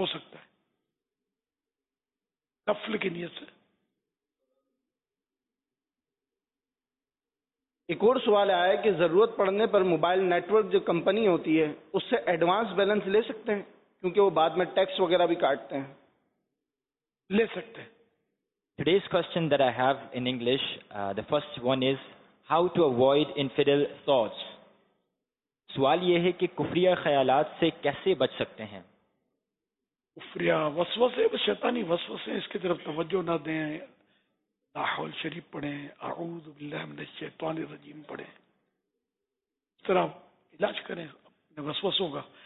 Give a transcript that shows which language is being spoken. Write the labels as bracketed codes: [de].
[ur] ہو سکتا ہے, نفل کی نیت سے. ایک اور سوال آیا ہے کہ ضرورت پڑنے پر موبائل نیٹورک جو کمپنی ہوتی ہے اس سے ایڈوانس بیلنس لے سکتے ہیں, کیونکہ وہ بعد میں ٹیکس وغیرہ بھی کاٹتے ہیں؟ لے سکتے ہیں. [en] Today's question that I have in English, the first one is how to avoid infidel thoughts. [ur] سوال یہ ہے کہ کفریہ خیالات سے کیسے بچ سکتے ہیں؟ کفریہ وسوسے, شیطانی وسوسے, اس کی طرف توجہ نہ دیں. لا حول شریف پڑھیں, اعوذ باللہ من الشیطان الرجیم پڑھیں, اس طرح علاج کریں اپنے وسوسوں کا.